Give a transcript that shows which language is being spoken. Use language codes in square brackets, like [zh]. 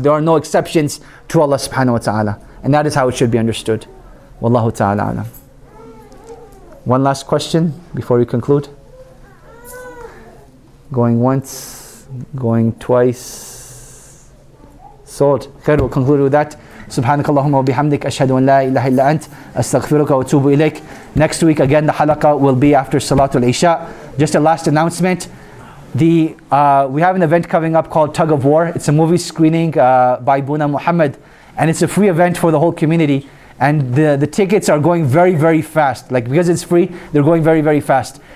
[en] There are no exceptions to Allah subhanahu wa ta'ala. And that is how it should be understood. Wallahu ta'ala alam. One last question before we conclude. Going once, going twice. Sold. Khair, we'll conclude with that. [ar] سبحانك اللهم وبحمدك أشهد أن لا إله إلا أنت أستغفرك وأتوب إليك. [en] Next week again, the halaqa will be after Salatul Isha. Just a last announcement: we have an event coming up called Tug of War. It's a movie screening by Buna Muhammad, and it's a free event for the whole community. And the tickets are going very, very fast. Like, because it's free, they're going very, very fast.